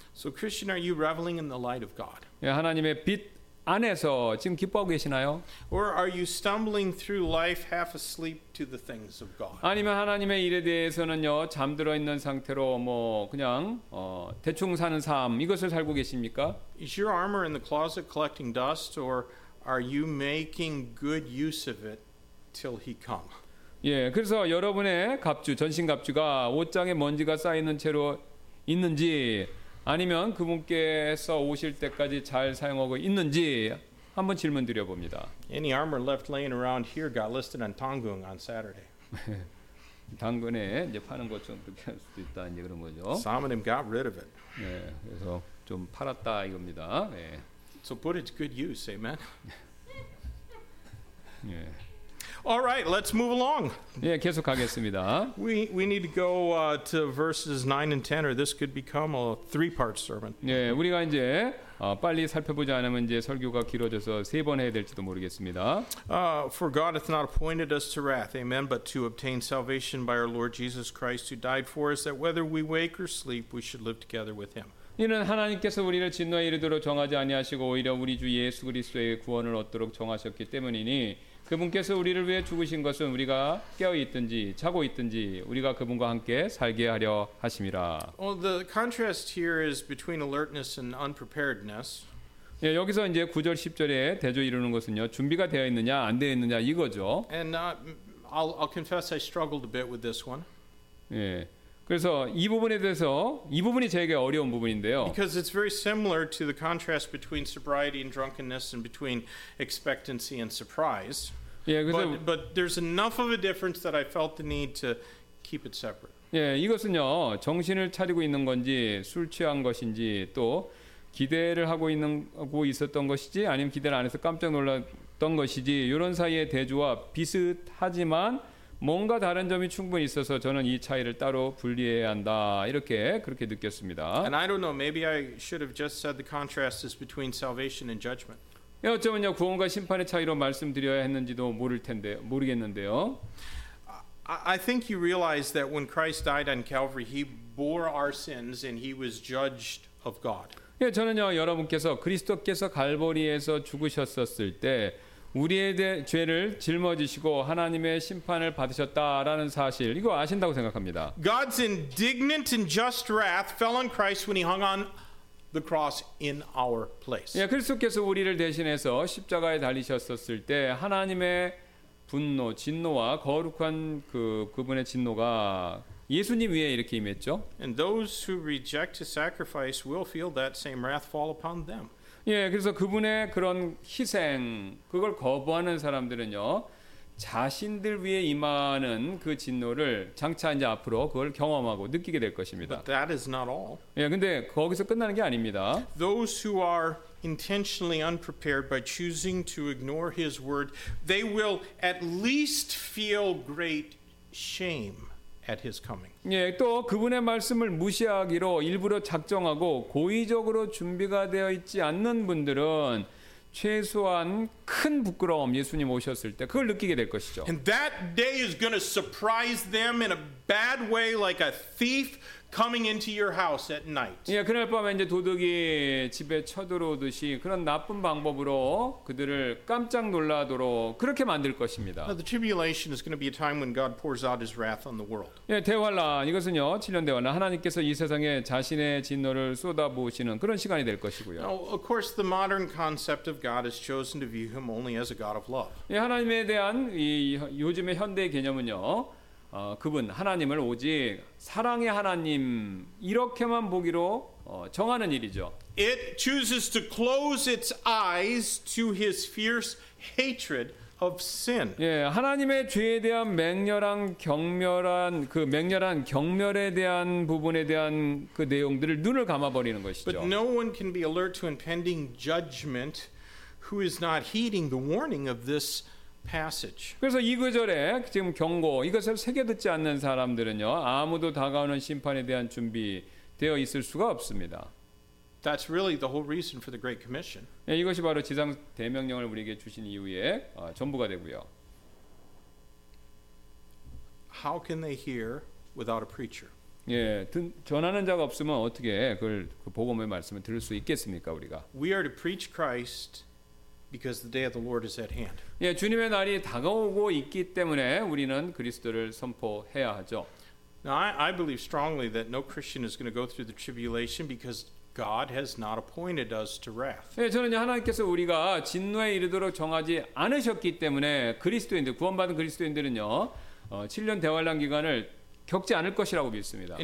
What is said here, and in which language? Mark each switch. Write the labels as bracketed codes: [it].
[en] So Christian, are you reveling in the light of God? [ko] 예, 하나님의 빛 안에서 지금 기뻐하고 계시나요? [en] Or are you stumbling through life half asleep to the things of God? [ko] 아니면 하나님의 일에 대해서는요 잠들어 있는 상태로 뭐 그냥 대충 사는 삶 이것을 살고 계십니까? [en] Is your armor in the closet collecting dust, or are you making good use of it till He comes? [ko] 예, 그래서 여러분의 갑주, 전신 갑주가 옷장에 먼지가 쌓이는 채로 있는지, 아니면 그분께서 오실 때까지 잘 사용하고 있는지 한번 질문 드려봅니다. [en] Any armor left laying around here got listed on Tangung on Saturday. [ko] 당근에 이제 파는 것 좀 그렇게 할 수도 있다 이제 그런 거죠. [en] Some of them got rid of it. [ko] 네, 예, 그래서 좀 팔았다 이겁니다. 예. [en] So put it to good use, amen. [ko] 예. [en] All right, let's move along. [ko] 예, 계속 가겠습니다. [en] We need to go to verses 9 and 10, or this could become a three-part sermon. [ko] 예, 우리가 이제 빨리 살펴보지 않으면 이제 설교가 길어져서 세 번 해야 될지도 모르겠습니다. [en] For God hath not appointed us to wrath, amen, but to obtain salvation by our Lord Jesus Christ, who died for us, that whether we wake or sleep, we should live together with him. [ko] 이는 하나님께서 우리를 진노에 이르도록 정하지 아니하시고 오히려 우리 주 예수 그리스도의 구원을 얻도록 정하셨기 때문이니 그분께서 우리를 위해 죽으신 것은 우리가 깨어 있든지 자고 있든지 우리가 그분과 함께 살게 하려 하심이라. [en] Well, the contrast here is between alertness and unpreparedness. [ko] 예, 여기서 이제 9절 10절에 대조 이루는 것은요. 준비가 되어 있느냐 안 되어 있느냐 이거죠. [en] And I'll confess I struggled a bit with this one. [ko] 예. 그래서 이 부분에 대해서 이 부분이 제게 어려운 부분인데요. [en] Because it's very similar to the contrast between sobriety and drunkenness and between expectancy and surprise. [ko] 예, [en] but there's enough of a difference that I felt the need to keep it separate. [ko] 예, 이것은요. 정신을 차리고 있는 건지 술 취한 것인지 또 기대를 하고 있는 하고 있었던 것이지 아니면 기대를 안 해서 깜짝 놀랐던 것이지 이런 사이의 대조와 비슷하지만 뭔가 다른 점이 충분히 있어서 저는 이 차이를 따로 분리해야 한다 이렇게 그렇게 느꼈습니다. [en] And I don't know. Maybe I should have just said the contrast is between salvation and judgment. [ko] 예, 어쩌면요 구원과 심판의 차이로 말씀드려야 했는지도 모르겠는데요. [en] I think you realize that when Christ died on Calvary, He bore our sins and He was judged of God. [ko] 예, 저는요 여러분께서 그리스도께서 갈보리에서 죽으셨었을 때. 우리의 죄를 짊어지시고 하나님의 심판을 받으셨다라는 사실 이거 아신다고 생각합니다. [en] God's indignant and just wrath fell on Christ when he hung on the cross in our place. [ko] 예, 그리스도께서 우리를 대신해서 십자가에 달리셨었을 때 하나님의 분노, 진노와 거룩한 그분의 진노가 예수님 위에 이렇게 임했죠. [en] And those who reject his sacrifice will feel that same wrath fall upon them. [ko] 예, 그래서 그분의 그런 희생 그걸 거부하는 사람들은요 자신들 위에 임하는 그 진노를 장차 이제 앞으로 그걸 경험하고 느끼게 될 것입니다. [en] But that is not all. [ko] 예, 근데 거기서 끝나는 게 아닙니다. [en] Those who are intentionally unprepared by choosing to ignore His word, they will at least feel great shame at His coming. [ko] 예, 또 그분의 말씀을 무시하기로 일부러 작정하고 고의적으로 준비가 되어 있지 않는 분들은 최소한 큰 부끄러움 예수님 오셨을 때 그걸 느끼게 될 것이죠. [en] And that day is going to surprise them in a bad way, like a thief coming into your house at night. [ko] 예, 그날 밤에 이제 도둑이 집에 쳐들어오듯이 그런 나쁜 방법으로 그들을 깜짝 놀라도록 그렇게 만들 것입니다. [en] Now, the tribulation is going to be a time when God pours out His wrath on the world. [ko] 예, 대환란 이것은요, 7년 대환란 하나님께서 이 세상에 자신의 진노를 쏟아 부으시는 그런 시간이 될 것이고요. [en] Now, of course, the modern concept of God has chosen to view Him only as a God of love. [ko] 예, 하나님에 대한 이 요즘의 현대 개념은요. 그분 하나님을 오직 사랑의 하나님 이렇게만 보기로 정하는 일이죠. [en] It chooses to close its eyes to his fierce hatred of sin. [ko] 예, 하나님의 죄에 대한 맹렬한 경멸한 그 맹렬한 경멸에 대한 부분에 대한 그 내용들을 눈을 감아 버리는 것이죠. [en] But no one can be alert to impending judgment who is not heeding the warning of this passage. [ko] 그래서 이 구절에 지금 경고 이것을 새겨 듣지 않는 사람들은요 아무도 다가오는 심판에 대한 준비되어 있을 수가 없습니다. [en] That's really the whole reason for the Great Commission. [ko] 예, 이것이 바로 지상 대명령을 우리에게 주신 이유의 전부가 되고요. [en] How can they hear without a preacher? [ko] 예, 전하는 자가 없으면 어떻게 그걸 그 복음의 말씀을 들을 수 있겠습니까 우리가? [en] We are to preach Christ. Because the day of the Lord is at hand. [ko] 예, 주님의 날이 다가오고 있기 때문에 우리는 그리스도를 선포해야 하죠. [en] Now, I believe strongly that no Christian is going to go through the tribulation because God has not appointed us to wrath. [ko] 예, 저는요 하나님께서 우리가 진노에 이르도록 정하지 않으셨기 때문에 그리스도인들 구원받은 그리스도인들은요 7년 대환란 기간을 겪지 않을 것이라고 믿습니다.